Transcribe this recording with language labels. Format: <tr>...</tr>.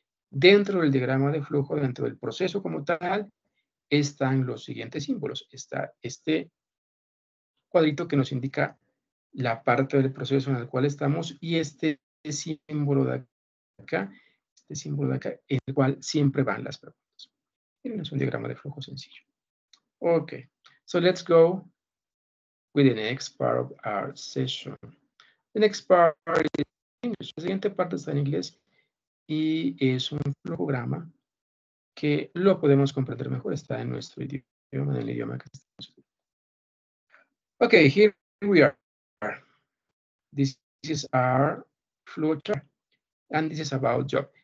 <es>Dentro del diagrama de flujo, dentro del proceso como tal, están los siguientes símbolos. Está este cuadrito que nos indica la parte del proceso en el cual estamos y este símbolo de acá, en el cual siempre van las preguntas. Miren, es un diagrama de flujo sencillo.</es> <en>Ok, so let's go with the next part of our session. The next part is English.</en> <es>La siguiente parte está en inglés y es un flujograma que lo podemos comprender mejor. Está en nuestro idioma, en el idioma que estamos.</es> <en>Ok, here we are. This is our flowchart. And this is about job.</en>